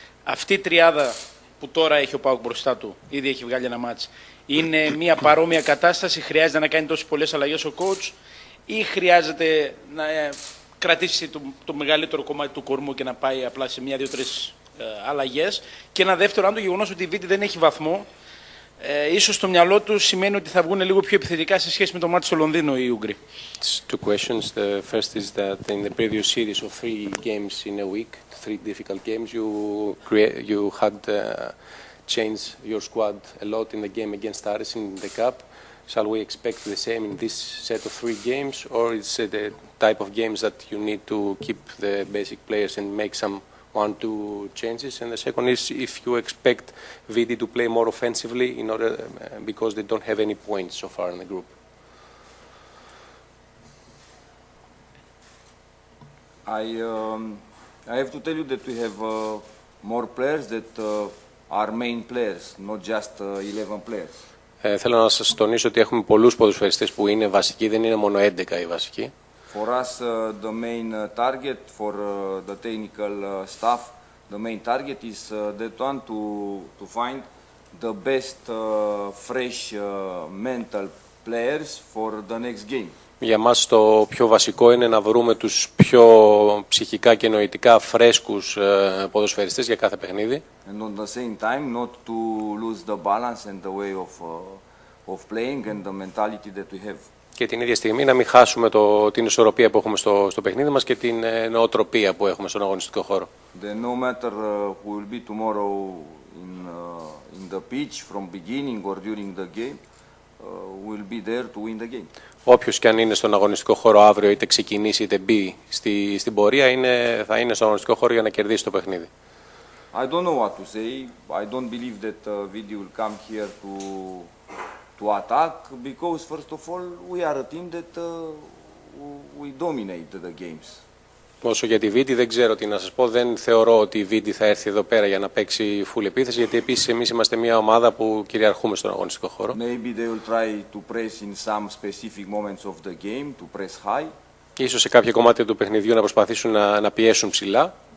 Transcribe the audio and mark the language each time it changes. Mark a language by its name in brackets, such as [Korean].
[Greek] Αυτή η τριάδα που τώρα έχει ο ΠΑΟΚ μπροστά του, ήδη έχει βγάλει ένα μάτς, είναι μια παρόμοια κατάσταση, χρειάζεται να κάνει τόσες πολλές αλλαγές ο coach ή χρειάζεται να κρατήσει το μεγαλύτερο κομμάτι του κορμού και να πάει απλά σε μία-δύο-τρεις αλλαγές? Και ένα δεύτερο, αν το γεγονός ότι η Βίτη δεν έχει βαθμό, ίσως στο μυαλό του σημαίνει ότι θα βγουν λίγο πιο επιθετικά σε σχέση με το μάτς στο Λονδίνο οι Ούγγροι. [English] Two questions. The first is that in the previous series of three games in a week, three difficult games, you had changed your squad a lot in the game against Aris in the Cup. Shall we expect the same in this set of three games, or is it the type of games that you need to keep the basic players and make some one, two changes? And the second is if you expect Vidi to play more offensively in order because they don't have any points so far in the group. I have to tell you that we have more players that are main players, not just 11 players. [Greek] Θέλω να σας τονίσω ότι έχουμε πολλούς ποδοσφαιριστές που είναι βασικοί, δεν είναι μόνο 11 οι βασικοί. [English] For us, the main target for the technical staff, the main target is that one, to find the best fresh mental players for the next game. [Greek] Για μας το πιο βασικό είναι να βρούμε τους πιο ψυχικά και νοητικά φρέσκους ποδοσφαιριστές για κάθε παιχνίδι. [English] And on the same time, not to lose the balance and the way of playing and the mentality that we have. [Greek] και την ίδια στιγμή να μην χάσουμε την ισορροπία που έχουμε στο παιχνίδι μας και την νοοτροπία που έχουμε στον αγωνιστικό χώρο. [English] The no matter who will be tomorrow in the pitch from beginning or during the game will be there to win the game. [Greek] Όποιος και αν είναι στον αγωνιστικό χώρο αύριο, είτε ξεκινήσει είτε μπει στην πορεία, θα είναι στον αγωνιστικό χώρο για να κερδίσει το παιχνίδι. [English] I don't know what to say. I don't believe that Vidi will come here to attack, because first of all we are a team that we dominate the games. [Greek] Όσο για τη Vidi, δεν ξέρω τι να σας πω. Δεν θεωρώ ότι η Vidi θα έρθει εδώ πέρα για να παίξει full επίθεση, γιατί επίσης εμείς είμαστε μια ομάδα που κυριαρχούμε στον αγωνιστικό χώρο. [English] Maybe they will try to press in some specific moments of the game, to press high. [Greek] Ίσως σε κάποια κομμάτια του παιχνιδιού να προσπαθήσουν να πιέσουν ψηλά.